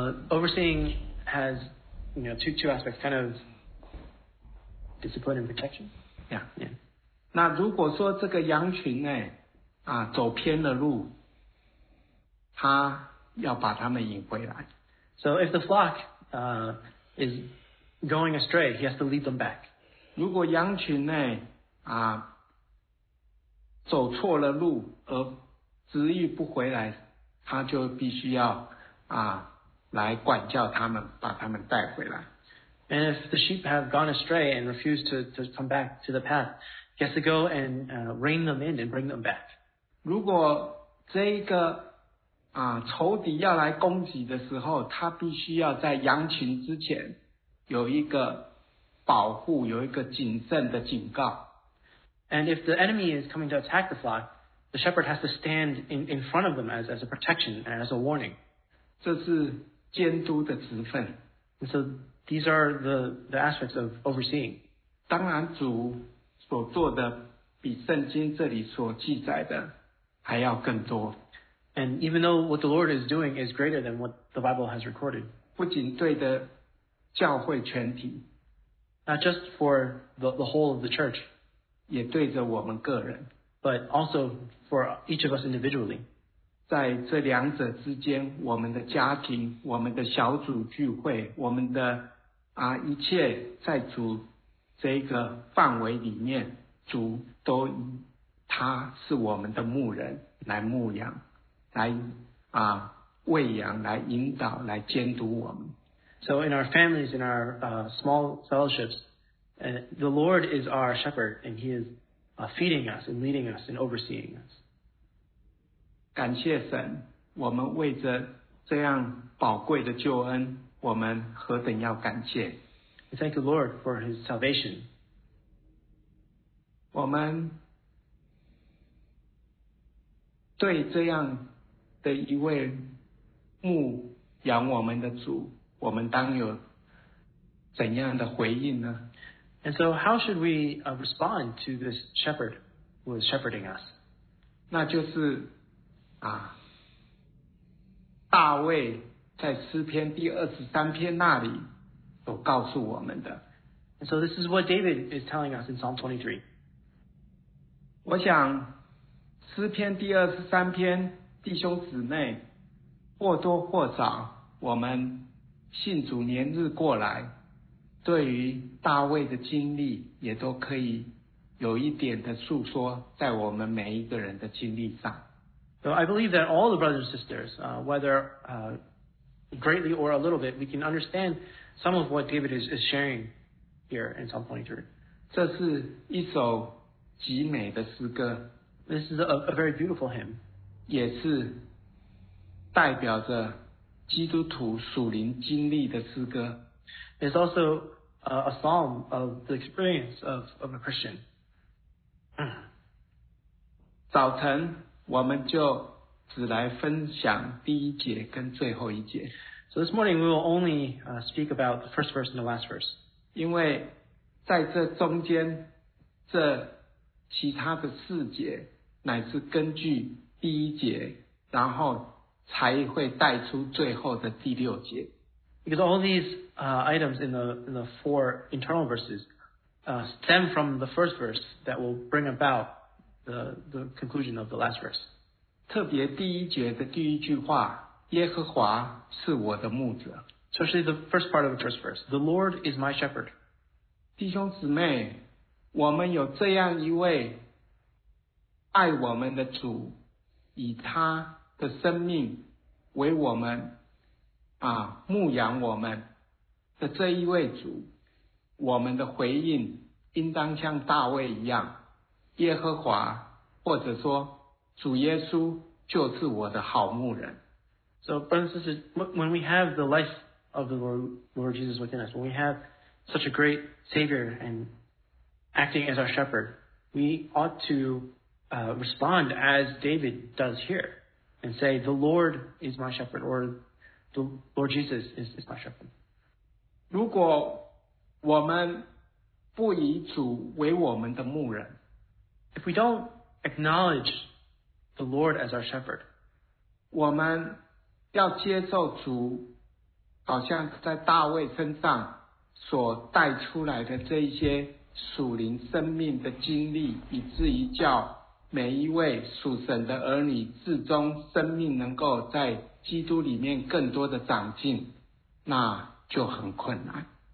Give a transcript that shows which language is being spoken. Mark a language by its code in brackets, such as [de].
[en] Overseeing has, you know, two aspects, kind of discipline and protection. Yeah. [zh] 那如果说这个羊群呢，啊，走偏了路，他要把他们引回来。 [en] So if the flock is going astray, he has to lead them back. [zh] 如果羊群呢，啊，走错了路而执意不回来，他就必须要啊。来管教他们，把他们带回来。 [en] And if the sheep have gone astray and refused to come back to the path, he has to go and rein them in and bring them back. [zh] 如果这个啊仇敌要来攻击的时候，他必须要在羊群之前有一个保护，有一个谨慎的警告。 [en] And if the enemy is coming to attack the flock, the shepherd has to stand in front of them as a protection and as a warning. [zh] 这是监督的职分。 [en] So these are the aspects of overseeing. [zh] 当然主所做的比圣经这里所记载的还要更多。 [en] And even though what the Lord is doing is greater than what the Bible has recorded. [zh] 不仅对的教会全体。 [en] Not just for the whole of the church. [zh] 也对着我们个人。 [en] But also for each of us individually. [zh] 在这两者之间，我们的家庭，我们的小组聚会，我们的啊一切在主这个范围里面，主都他是我们的牧人来牧养，来啊喂养来引导来监督我们。 [en] So in our families, in our small fellowships, the Lord is our shepherd, and He is feeding us and leading us and overseeing us. [zh] 感谢神，我们为着这样宝贵的救恩，我们何等要感谢。 [en] We thank the Lord for His salvation. [zh] 我们对这样的一位牧养我们的主，我们当有怎样的回应呢？ [en] And so how should we respond to this shepherd who is shepherding us? [zh] 那就是啊，大卫在诗篇第二十三篇那里所告诉我们的。 [en] And so this is what David is telling us in Psalm 23. [zh] 我想诗篇第二十三篇弟兄姊妹或多或少我们信主年日过来，对于大卫的经历也都可以有一点的诉说在我们每一个人的经历上。 [en] So I believe that all the brothers and sisters, whether greatly or a little bit, we can understand some of what David is sharing here in Psalm 23. [zh] 这是一首极美的诗歌。 [en] This is a very beautiful hymn. [zh] 也是代表着基督徒属灵经历的诗歌。 [en] It's also a psalm of the experience of a Christian. [zh] 早晨我们就只来分享第一节跟最后一节。 [en] So this morning we will only speak about the first verse and the last verse. [zh] 因为在这中间这其他的四节乃是根据第一节然后才会带出最后的第六节。 [en] Because all these items in the four internal verses stem from the first verse that will bring about the conclusion of the last verse. [zh] 特别第一节的第一句话，耶和华是我的牧者。 [en] Especially the first part of the first verse, the Lord is my shepherd. [zh] 弟兄姊妹，我们有这样一位爱我们的主，以他的生命为我们啊牧养我们的这一位主，我们的回应应当像大卫一样，耶和华或者说主耶稣就是我的好牧人。 [en] So brothers, when we have the life of the Lord Jesus within us, when we have such a great Savior and acting as our shepherd, we ought to respond as David does here. And say, the Lord is my shepherd, or the Lord Jesus is my shepherd. [zh] 如果我们不以主为我们的牧人， [en] If we don't acknowledge the Lord as our shepherd, [zh] 我们要接受主好像在大卫身上所带出来的这一些属灵生命的经历，以至于叫每一位属神的儿女至终生命能够在基督里面更多的长进，那就很困难。